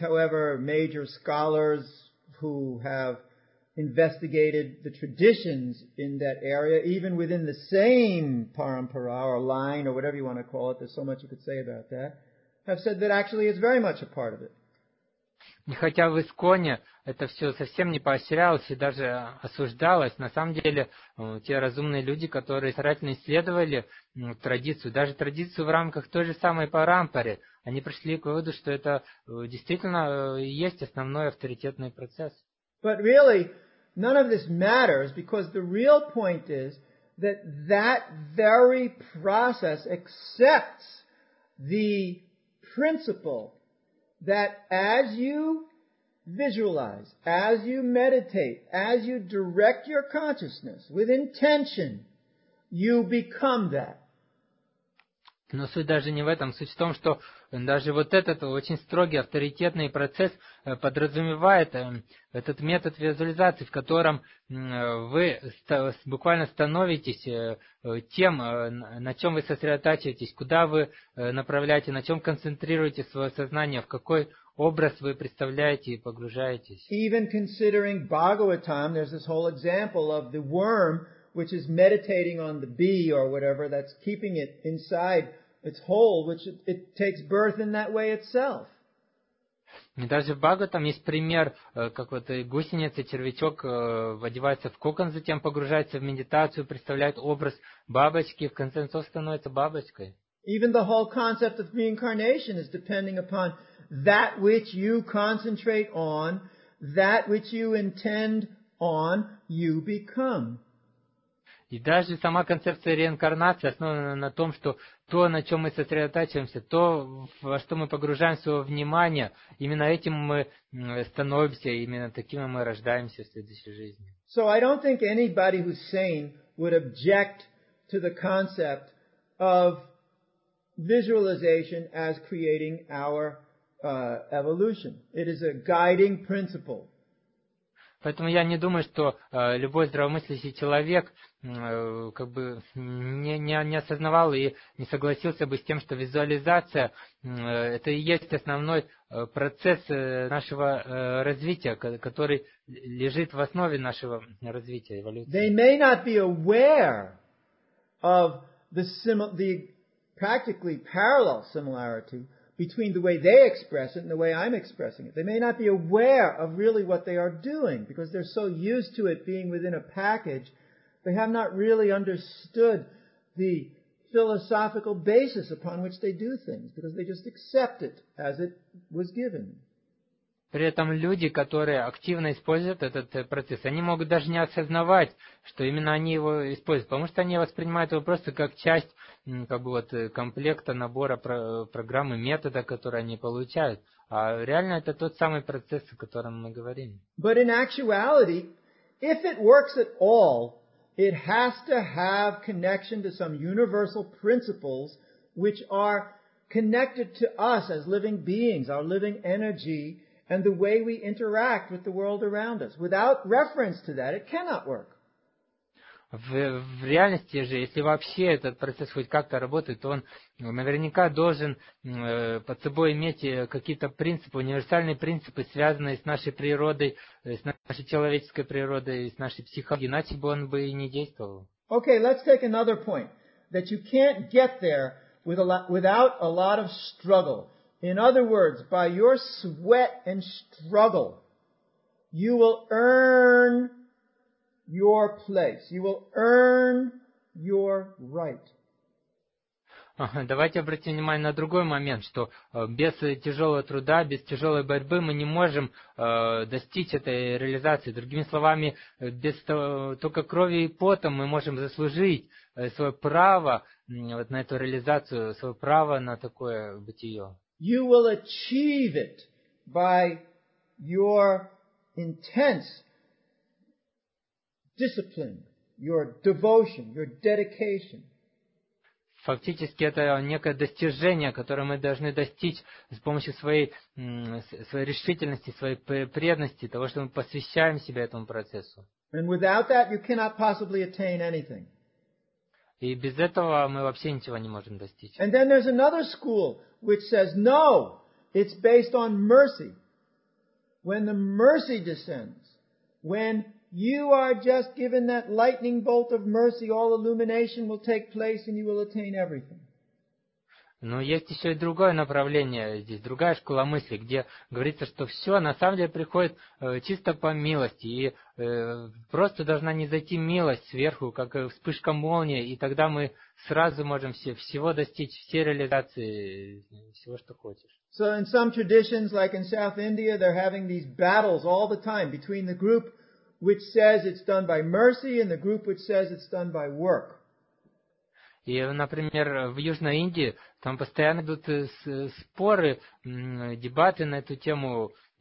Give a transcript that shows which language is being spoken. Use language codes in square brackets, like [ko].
[en] However, major scholars who have investigated the traditions in that area, even within the same parampara or line or whatever you want to call it, there's so much you could say about that. have said that actually it's very much a part of it. [ru] И хотя в Исконе это все совсем не поощрялось и даже осуждалось, на самом деле те разумные люди, которые старательно исследовали традицию, даже традицию в рамках той же самой парампары, они пришли к выводу, что это действительно есть основной авторитетный процесс. [en] But really, none of this matters, because the real point is that that very process accepts the principle that as you visualize, as you meditate, as you direct your consciousness with intention, you become that. [ru] Но суть даже не в этом. Суть в том, что даже вот этот очень строгий авторитетный процесс подразумевает этот метод визуализации, в котором вы буквально становитесь тем, на чем вы сосредотачиваетесь, куда вы направляете, на чем концентрируете свое сознание, в какой образ вы представляете и погружаетесь. [en] Even considering Bhagavatam, there's this whole example of the worm, which is meditating on the bee or whatever, that's keeping it inside its hole, which it takes birth in that way itself. [ru] И даже в Бхагаватам есть пример, как вот гусеница, червячок одевается в кокон, затем погружается в медитацию, представляет образ бабочки, в конце концов становится бабочкой. [en] Even the whole concept of reincarnation is depending upon that which you concentrate on, that which you intend on, you become. [ru] И даже сама концепция реинкарнации основана на том, что то, на чем мы сосредотачиваемся, то, во что мы погружаем свое внимание, именно этим мы становимся, именно таким мы рождаемся в следующей жизни. [en] So I don't think anybody who's sane would object to the concept of visualization as creating our evolution. It is a guiding principle. [ru] Поэтому я не думаю, что любой здравомыслящий человек как бы не осознавал и не согласился бы с тем, что визуализация это и есть основной процесс нашего развития, который лежит в основе нашего развития, эволюции. [en] They may not be aware of the practically parallel similarity between the way they express it and the way I'm expressing it. They may not be aware of really what they are doing because they're so used to it being within a package, they have not really understood the philosophical basis upon which they do things because they just accept it as it was given. [ru] При этом люди, которые активно используют этот процесс, они могут даже не осознавать, что именно они его используют, потому что они воспринимают его просто как часть как бы вот, комплекта, набора программы, метода, который они получают. А реально это тот самый процесс, о котором мы говорим. [en] But in actuality, if it works at all, it has to have connection to some universal principles, which are connected to us as living beings, our living energy, and the way we interact with the world around us. Without reference to that, it cannot work. [ru] В реальности же, если вообще этот процесс хоть как-то работает, то он наверняка должен под собой иметь какие-то принципы, универсальные принципы, связанные с нашей природой, с нашей человеческой природой, с нашей психологией, иначе бы он бы и не действовал. [en] Okay, let's take another point, that you can't get there without a lot of struggle. In other words, by your sweat and struggle, you will earn your place. You will earn your right. [ru] Давайте обратим внимание на другой момент, что без тяжелого труда, без тяжелой борьбы мы не можем достичь этой реализации. Другими словами, без только крови и пота мы можем заслужить свое право вот на эту реализацию, свое право на такое бытие. [en] You will achieve it by your intense discipline, your devotion, your dedication. [ru] Фактически это некое достижение, которое мы должны достичь с помощью своей решительности, своей преданности, того, что мы посвящаем себя этому процессу. [en] And without that you cannot possibly attain anything. [ru] И без этого мы вообще ничего не можем достичь. [en] And then there's another school which says, no, it's based on mercy. When the mercy descends, when you are just given that lightning bolt of mercy, all illumination will take place and you will attain everything. [ru] Но есть еще и другое направление, здесь другая школа мысли, где говорится, что все на самом деле приходит чисто по милости, и просто должна не зайти милость сверху, как вспышка молнии, и тогда мы сразу можем всего достичь, всей реализации, всего, что хочешь. [en] So in some traditions, like in South India, they're having these battles all the time between the group which says it's done by mercy and the group which says it's done by work. [ru] И, например, в Южной Индии там постоянно идут споры, дебаты на эту тему.